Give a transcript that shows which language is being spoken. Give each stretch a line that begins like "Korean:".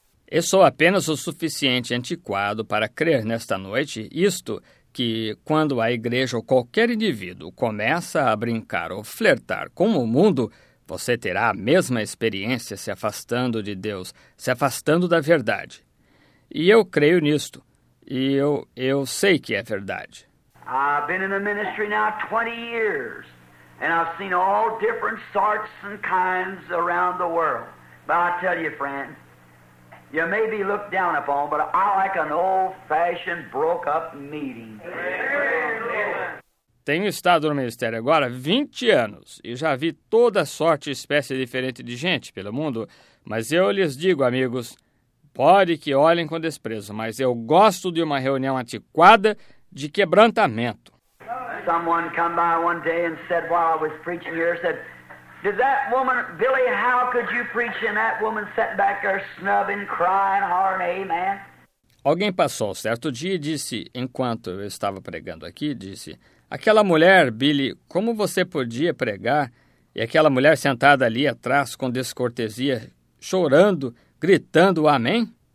Portuguese: Eu sou apenas o suficiente antiquado para crer nesta noite isto, que quando a igreja ou qualquer indivíduo começa a brincar ou flertar com o mundo, você terá a mesma experiência se afastando de Deus, se afastando da verdade. E eu creio nisto. E eu sei que é verdade.
English: I've been in the ministry now 20 years, and I've seen all different sorts and kinds around the world. But I tell you, friend, you may be looked down upon, but I like an old-fashioned, broke-up meeting.
Portuguese: Tenho estado no ministério agora 20 anos e já vi toda sorte e espécie diferente de gente pelo mundo. Mas eu lhes digo, amigos, pode que olhem com desprezo, mas eu gosto de uma reunião antiquada de quebrantamento. Amém.
English: someone come by one day and said, while I was preaching here, said, did that woman, Billy, how could you preach and that woman sat back there snubbing, crying, hollering, amen?
Portuguese: Alguém passou um certo dia e disse, enquanto eu estava pregando aqui, disse, aquela mulher, Billy, como você podia pregar? E aquela mulher sentada ali atrás com descortesia, chorando, gritando amém?